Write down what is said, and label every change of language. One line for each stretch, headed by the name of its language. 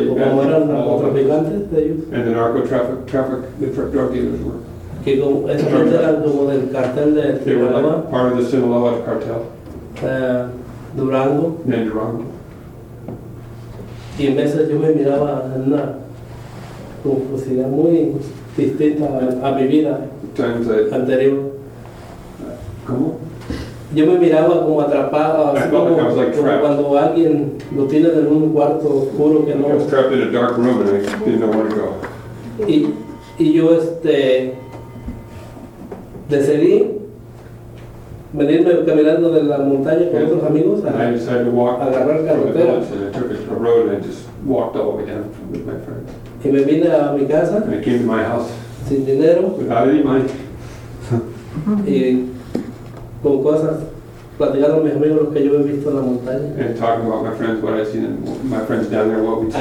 English: and the narco-traffic, the drug dealers were.
Spanish: Que esa gente era como del cartel de Sinaloa.
English: They were like part of the Sinaloa cartel.
Spanish: Durango.
English: Then Durango.
Spanish: Y en veces yo me miraba en una confusión muy distinta a mi vida anterior. ¿Cómo? Yo me miraba como atrapado, así como,
English: like like
Spanish: como cuando alguien lo tiene en un cuarto oscuro que no.
English: I was trapped in a dark room and I didn't know where to go.
Spanish: Y yo decidí venirme caminando de la montaña con otros amigos
English: and I decided to walk
Spanish: a agarrar carretera.
English: And I took a road and I just walked all the way down with my friends.
Spanish: Y me vine a mi casa.
English: And I came to my house.
Spanish: Sin dinero.
English: Without any money.
Spanish: Y con cosas platicando mis amigos lo que yo he visto en la montaña.
English: And talking about my friends, what I've seen, and my friends down there, what we've seen.